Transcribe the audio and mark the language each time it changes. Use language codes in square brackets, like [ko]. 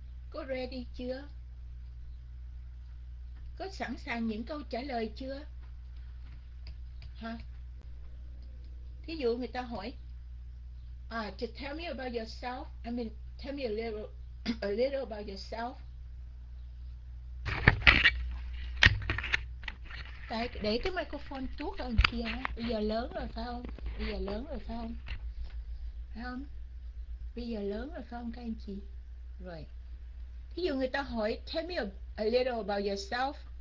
[vi] Có ready chưa? Có sẵn sàng những câu trả lời chưa? Hả? Thí dụ người ta hỏi [en] to tell me about yourself. I mean, tell me a little about yourself. [vi] Tại để cái microphone tuốt ở kia. Bây giờ lớn rồi phải không? Bây giờ lớn rồi phải không? Phải không? Bây giờ lớn rồi phải không các anh chị? Rồi. Ví dụ người ta hỏi [en] tell me a little about yourself.